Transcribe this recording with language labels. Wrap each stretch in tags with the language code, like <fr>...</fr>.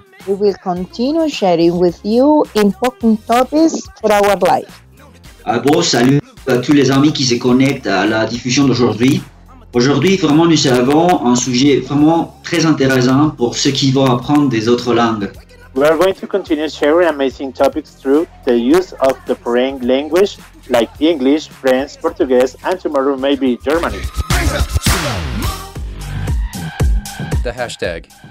<en>We will continue sharing with you important topics for our life.</en> <fr>Un gros salut à tous les amis qui se connectent à la diffusion d'aujourd'hui. Aujourd'hui, vraiment, nous avons un sujet vraiment très intéressant pour ceux qui vont apprendre des autres langues.</fr> <en>We are going to continue sharing amazing topics through the use of the foreign language like English, French, Portuguese, and tomorrow maybe Germany. The hashtag.</en>